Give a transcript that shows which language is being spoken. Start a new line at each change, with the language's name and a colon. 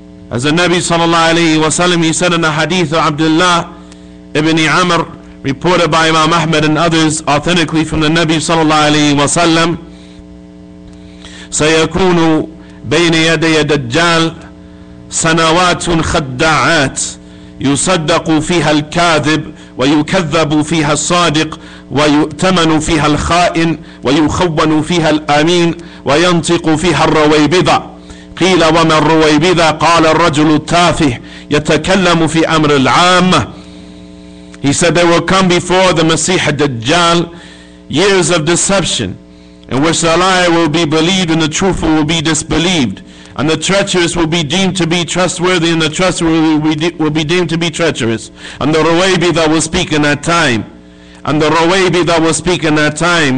English: As the Nabi sallallahu alayhi wa sallam, He said in the hadith of Abdullah ibn Amr, reported by Imam Ahmad and others authentically from the Nabi sallallahu alayhi wa sallam,
Arabic: سَيَكُونُ بَيْنِ يَدَيَ دَجَّالِ سنوات خداعات يصدق فيها الكاذب ويكذب فيها الصادق ويؤتمن فيها الخائن ويخون فيها الأمين وينطق فيها الرويبضة. قيل وما الرويبضة؟ قال الرجل التافه يتكلم في أمر العامة.
English: He said there will come before the Masih Dajjal years of deception in which the liar will be believed and the truthful will be disbelieved, and the treacherous will be deemed to be trustworthy and the trustworthy will be deemed to be treacherous. And the Rawaybi that will speak in that time. And the Rawaybi that will speak in that time.